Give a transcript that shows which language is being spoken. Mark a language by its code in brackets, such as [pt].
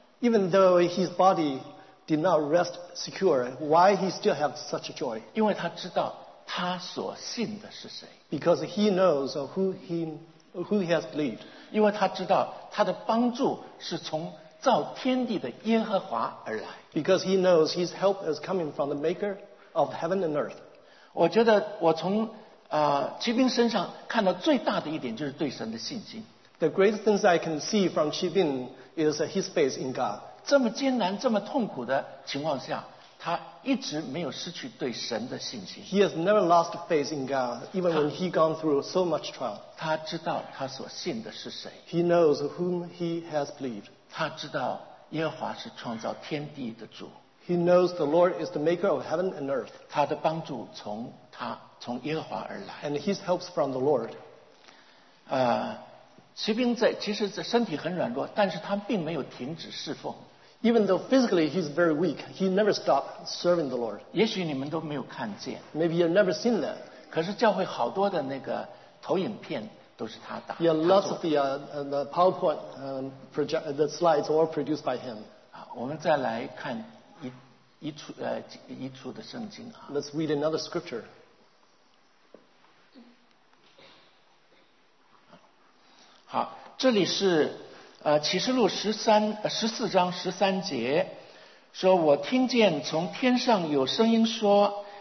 [en] Even though his body did not rest secure, why he still have such a joy? [zh] 因为他知道他所信的是谁。 [en] Because he knows who he has believed. [zh] 因为他知道他的帮助是从造天地的耶和华而来。 [en] Because he knows his help is coming from the maker of heaven and earth. [zh] 我觉得我从骑兵身上看到最大的一点就是对神的信心。 [en] The greatest things I can see from 骑兵 is his faith in God. [zh] 这么艰难这么痛苦的情况下，他一直没有失去对神的信心。 [en] He has never lost faith in God, even when he gone through so much trial. [zh] 他知道他所信的是谁。 [en] He knows whom he has believed. [zh] 他知道耶和华是创造天地的主。 [en] He knows the Lord is the maker of heaven and earth. [zh] 他的帮助从耶和华而来。 [en] And his help's from the Lord. [zh] 骑兵在其实在身体很软弱，但是他并没有停止侍奉。 [en] Even though physically he's very weak, he never stopped serving the Lord. [zh] 也许你们都没有看见。 [en] Maybe you've never seen that. [zh] 可是教会好多的那个投影片都是他打。 [en] Yeah, lots of the PowerPoint the slides all produced by him. [zh] 我们再来看一处的圣经啊。 [en] Let's read another scripture. [zh] 好，这里是启示录十四章十三节，说我听见从天上有声音说，